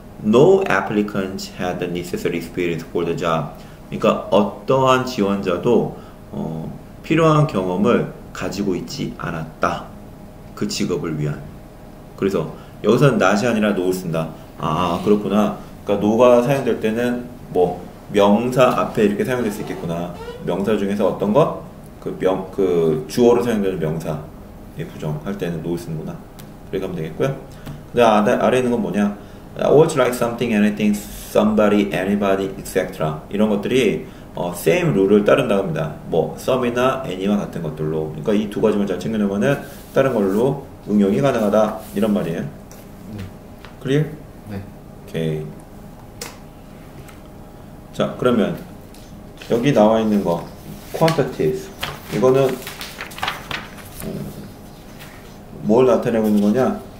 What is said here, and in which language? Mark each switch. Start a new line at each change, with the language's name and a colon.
English: No applicant had the necessary experience for the job.
Korean: 그러니까 어떠한 지원자도 필요한 경험을 가지고 있지 않았다. 그 직업을 위한. 그래서 여기서는 not이 아니라 no를 쓴다. 아 그렇구나. 그러니까 no가 사용될 때는 뭐 명사 앞에 이렇게 사용될 수 있겠구나. 명사 중에서 어떤 거? 그 주어로 사용되는 명사의 부정 할 때는 no를 쓰는구나. 그렇게 하면 되겠고요. 근데 아래 있는 건 뭐냐?
English: I would like something, anything, somebody, anybody, etc.
Korean: 이런 것들이 same rule을 따른다고 합니다. 뭐 some이나 any와 같은 것들로. 그러니까 이 두 가지만 잘 챙겨놓으면 다른 걸로 응용이 가능하다 이런 말이에요. 클리어? 네. 오케이. 자 그러면 여기 나와 있는 거 quantities 이거는 뭘 나타내고 있는 거냐?